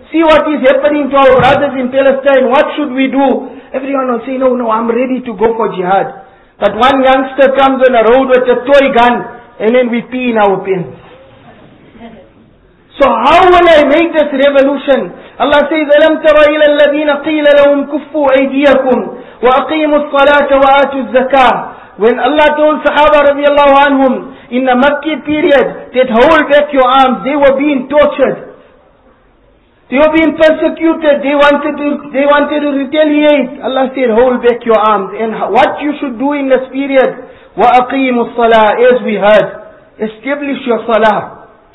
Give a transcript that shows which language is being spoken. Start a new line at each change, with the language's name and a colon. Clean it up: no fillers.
English: See what is happening to our brothers in Palestine, what should we do? Everyone will say, no, I'm ready to go for jihad. But one youngster comes on the road with a toy gun, and then we pee in our pants. So how will I make this revolution? Allah says,
Arabic: أَلَمْ تَرَ إِلَى الَّذِينَ قِيلَ لَهُمْ كُفُّوا أَيْدِيَكُمْ وَأَقِيمُوا الصَّلَاةَ وَآتُوا الزَّكَاةَ.
English: When Allah told Sahaba radiallahu anhum, in the Makki period, that hold back your arms, they were being tortured. They were being persecuted, they wanted to retaliate. Allah said, hold back your arms. And what you should do in this period,
Arabic: وَأَقِيمُ الصَّلَاةِ,
English: as we heard, establish your salah.